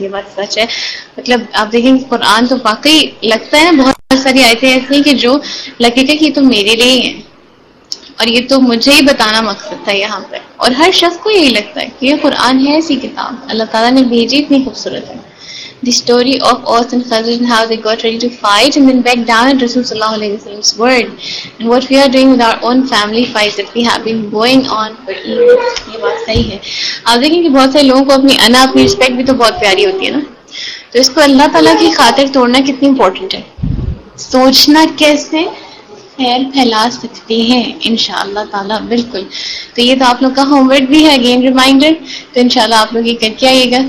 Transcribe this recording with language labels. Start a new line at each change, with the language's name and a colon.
Urdu: یہ بات سچ ہے، مطلب آپ دیکھیں کہ قرآن تو واقعی لگتا ہے نا، بہت ساری آیتیں ایسی ہیں کہ جو لگے گا کہ یہ تو میرے لیے ہی ہیں اور یہ تو مجھے ہی بتانا مقصد تھا یہاں پر، اور ہر شخص کو یہی لگتا ہے کہ یہ قرآن ہے ایسی کتاب، اللہ تعالیٰ نے بھیجی اتنی خوبصورت ہے.
English: The story of Aus and Khazraj and how they got ready to fight and then back down at Rasulullah alayhi wa sallam's word. And what we are doing with our own family fights that we have been going on for years.
Urdu: یہ بات صحیح ہے. آپ دیکھیں کہ بہت سارے لوگوں کو اپنی انا، اپنی رسپیکٹ بھی تو بہت پیاری ہوتی ہے نا، تو اس کو اللہ تعالیٰ کی خاطر توڑنا کتنی امپورٹنٹ ہے. سوچنا کیسے خیر پھیلا سکتے ہیں ان شاء اللہ تعالیٰ. بالکل، تو یہ تو آپ لوگ کا ہوم ورک بھی ہے، اگین ریمائنڈر، تو ان شاء اللہ آپ لوگ یہ کر کے آئیے گا.